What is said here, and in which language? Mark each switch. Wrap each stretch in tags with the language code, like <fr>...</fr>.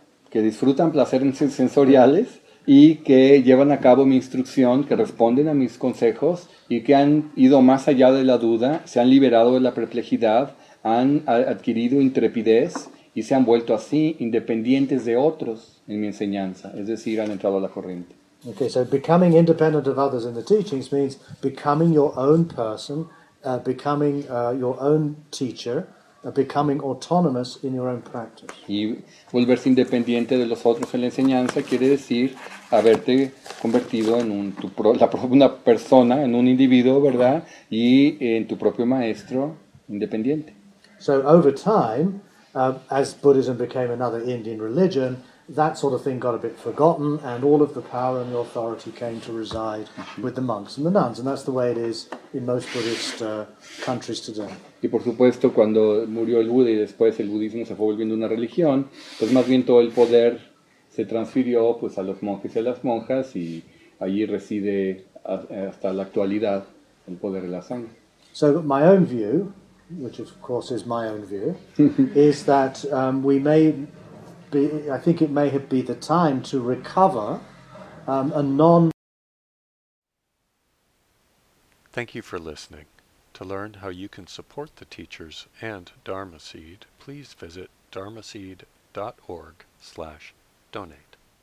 <es>Que disfrutan placeres sensoriales y que llevan a cabo mi instrucción, que responden a mis consejos y que han ido más allá de la duda, se han liberado de la perplejidad, han adquirido intrepidez y se han vuelto así independientes de otros en mi enseñanza, es decir, han entrado a la corriente.</es> <en>Okay, so becoming independent of others in the teachings means becoming your own person, becoming your own teacher, Becoming autonomous in your own practice.</en> <es>Y volverse independiente de los otros en la enseñanza quiere decir haberte convertido en una persona, en un individuo, ¿verdad? Y en tu propio maestro independiente.</es> <en>So over time, as Buddhism became another Indian religion, that sort of thing got a bit forgotten, and all of the power and the authority came to reside with the monks and the nuns, and that's the way it is in most Buddhist countries today.</en> <es>Y por supuesto, cuando murió el Buda y después el budismo se fue volviendo una religión, pues más bien todo el poder se transfirió pues a los monjes y a las monjas, y allí reside hasta la actualidad el poder de la sangre.</es> <en>So my own view, which of course is my own view, is that we may be, I think it may have been the time to recover a non. Thank you for listening. To learn how you can support the teachers and Dharma Seed, please visit dharmaseed.org/donate.</en>